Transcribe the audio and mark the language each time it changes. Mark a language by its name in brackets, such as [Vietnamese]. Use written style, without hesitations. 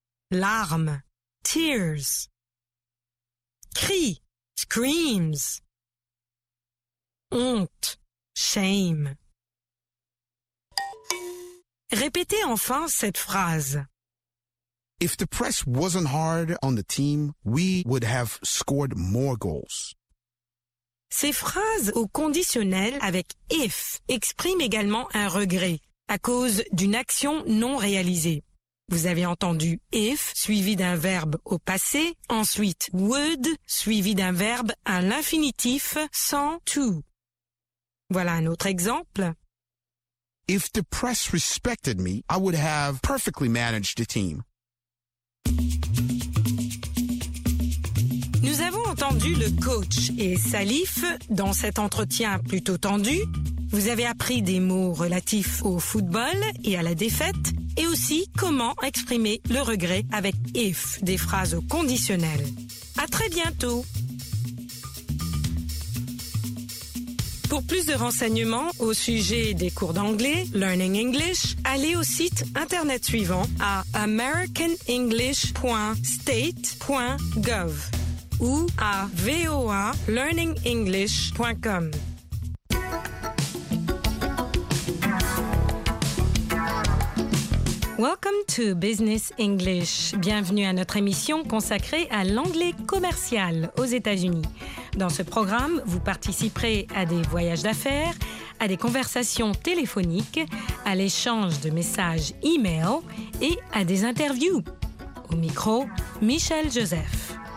[French] Larmes, tears. Cris, screams. Honte, shame. Répétez enfin cette phrase. [English] If the press wasn't hard on the team, we would have scored more goals. [French] Ces phrases au conditionnel avec if expriment également un regret à cause d'une action non réalisée. Vous avez entendu if suivi d'un verbe au passé, ensuite would suivi d'un verbe à l'infinitif sans to. Voilà un autre exemple. [English] If the press respected me, I would have perfectly managed the team. [French] Nous avons entendu le coach et Salif dans cet entretien plutôt tendu. Vous avez appris des mots relatifs au football et à la défaite et aussi comment exprimer le regret avec if, des phrases conditionnelles. À très bientôt. Pour plus de renseignements au sujet des cours d'anglais, Learning English, allez au site internet suivant à americanenglish.state.gov ou à voalearningenglish.com. [English] Welcome to Business English. [French] Bienvenue à notre émission consacrée à l'anglais commercial aux États-Unis. Dans ce programme, vous participerez à des voyages d'affaires, à des conversations téléphoniques, à l'échange de messages e-mail et à des interviews. Au micro, Michel Joseph.